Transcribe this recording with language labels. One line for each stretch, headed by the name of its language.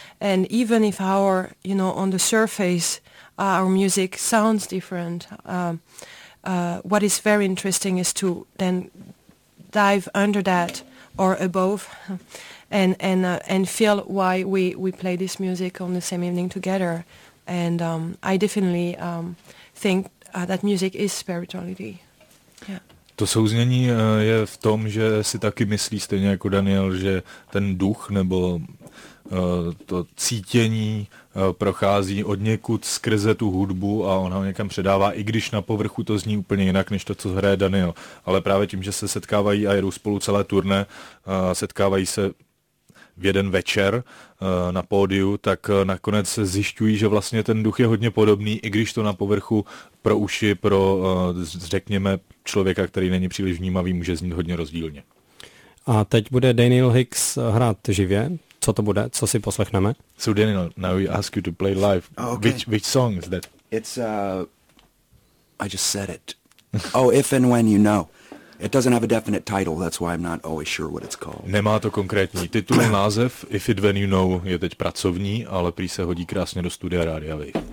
English: And even if our, you know, on the surface our music sounds different, what is very interesting is to then dive under that or above and feel why we play this music on the same evening together. And I definitely think that music is spirituality.
Czech: To souznění je v tom, že si taky myslí stejně jako Daniel, že ten duch nebo to cítění prochází od někud skrze tu hudbu a on ho někam předává, i když na povrchu to zní úplně jinak, než to, co hraje Daniel. Ale právě tím, že se setkávají a jedou spolu celé turné, setkávají se v jeden večer na pódiu, tak nakonec zjišťují, že vlastně ten duch je hodně podobný, i když to na povrchu pro uši, pro, řekněme, člověka, který není příliš vnímavý, může znít hodně rozdílně. A teď bude Daniel Hicks hrát živě. Co to bude? Co si poslechneme?
English: So Daniel, now we ask you to play live. Oh, okay. Which song is that? It's, I just said it. Oh, If and When You Know. It doesn't have a definite title, that's why I'm not always sure what it's called.
Czech: Nemá to konkrétní titul, název If It When You Know je teď pracovní, ale prý se hodí krásně do studia Radio Wave.